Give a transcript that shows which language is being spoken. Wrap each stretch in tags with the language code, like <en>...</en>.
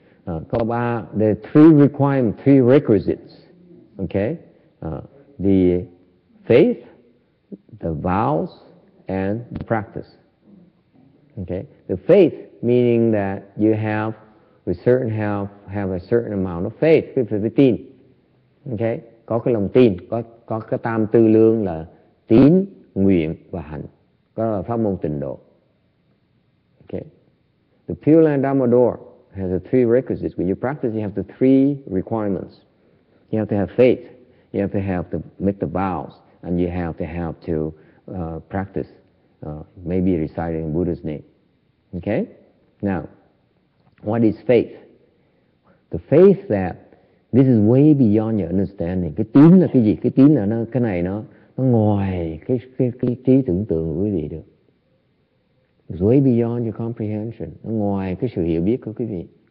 <en>San,</en> <vi>có ba,</vi> <en>the three requirements, three requisites, okay? The faith, the vows, and the practice. Okay, the faith meaning that you have a certain have a certain amount of faith.</en> <vi>Tin. Okay, có cái lòng tin, có cái tam tư lương là tín, nguyện và hạnh. Có là pháp môn tịnh độ.</vi> <en>Okay, the Pure Land Amador has the three requisites. When you practice, you have the three requirements. You have to have faith. You have to have to make the vows, and you have to have to practice, maybe reciting Buddha's name. Okay? Now, what is faith? The faith that this is way beyond your understanding.</en> <vi>Cái tín là cái gì? Cái tín là nó, cái này nó ngoài cái trí tưởng tượng của quý vị được.</vi> <en>It's way beyond your comprehension.</en> <vi>Nó ngoài cái sự hiểu biết của quý vị.</vi>